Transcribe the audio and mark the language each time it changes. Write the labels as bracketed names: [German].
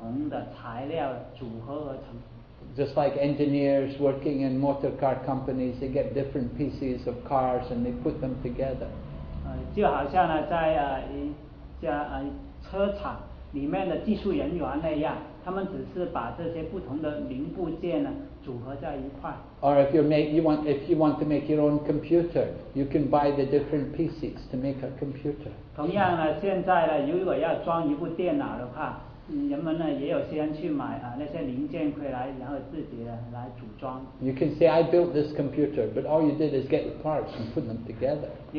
[Chinese] 但是呢，这些人呢，他们不是创造者，他们只是把这些不同的材料组合而成。 [English] Just like engineers working in motor car companies, they get different pieces of cars and they put them together. [Chinese] 就好像呢，在一家车厂里面的技术人员那样，他们只是把这些不同的零部件呢组合在一块。 [English] Or if you want to make your own computer, you can buy the different pieces to make a computer. [Chinese] 同样呢，现在呢，如果要装一部电脑的话。人们呢也有些人去买那些零件回来，然后自己来组装。 [English] You can say I built this computer, but all you did is get the parts and put them together.